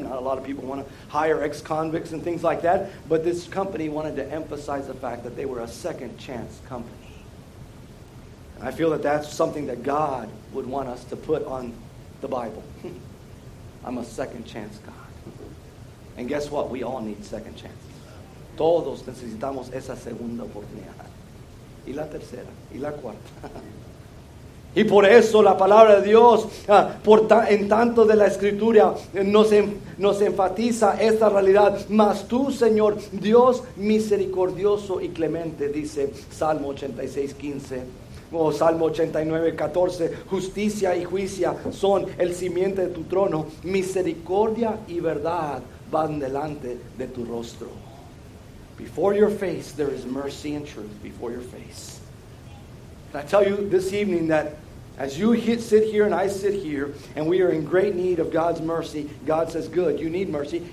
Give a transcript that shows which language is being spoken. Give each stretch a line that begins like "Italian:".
English: Not a lot of people want to hire ex-convicts and things like that. But this company wanted to emphasize the fact that they were a second chance company. And I feel that that's something that God would want us to put on the Bible. I'm a second chance God. And guess what? We all need second chances.
Spanish: Todos necesitamos esa segunda oportunidad. Y la tercera, y la cuarta. Y por eso la palabra de Dios, en tanto de la Escritura, nos enfatiza esta realidad. Mas tú, Señor, Dios misericordioso y clemente, dice Salmo 86, 15. O Salmo 89, 14. Justicia y juicio son el simiente de tu trono. Misericordia y verdad van delante de tu rostro.
English: Before your face, there is mercy and truth before your face. And I tell you this evening that as you sit here and I sit here, and we are in great need of God's mercy, God says, good, you need mercy.